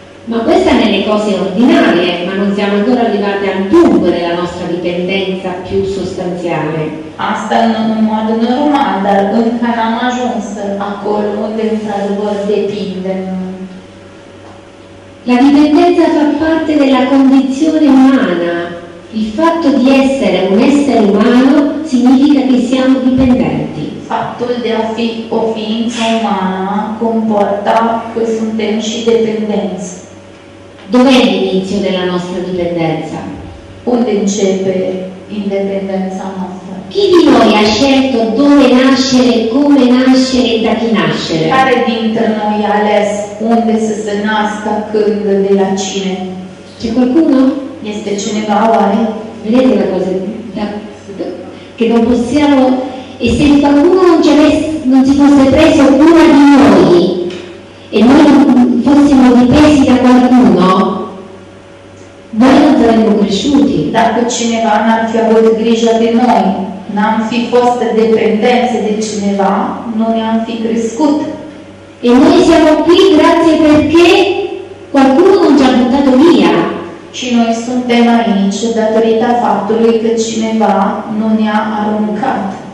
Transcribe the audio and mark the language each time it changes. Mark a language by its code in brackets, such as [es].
[it] Ma queste sono le cose ordinarie, ma non siamo ancora arrivati al dunque della nostra dipendenza più sostanziale. [ro] Asta în un mod normal, dar încă n-am ajuns acolo unde într-adevăr depindem. [it] La dipendenza fa parte della condizione umana. Il fatto di essere un essere umano significa che siamo dipendenti. [ro] Faptul de a fi o ființă umană comporta că suntem și dependenți. [it] Dov'è l'inizio della nostra dipendenza? [ro] Unde începe indipendența noastră? [it] Chi di noi ha scelto dove nascere, come nascere e da chi nascere? [ro] Care dintre noi ha ales unde să se nască, când, de la cine? [it] C'è qualcuno? [ro] Este cineva oare? [it] Vedete la cosa? Da. Che non possiamo... E se qualcuno non ci fosse preso cura di noi e noi fossimo dipesi da qualcuno, noi non saremmo cresciuti. [ro] Dacă cineva n-ar fi avut grijă de noi, n-am fi fost dependențe de cineva, nu ne-am fi crescut. [it] E noi siamo qui grazie perché qualcuno non ci ha buttato via. [ro] Și noi suntem aici datorită faptului că cineva nu ne-a aruncat.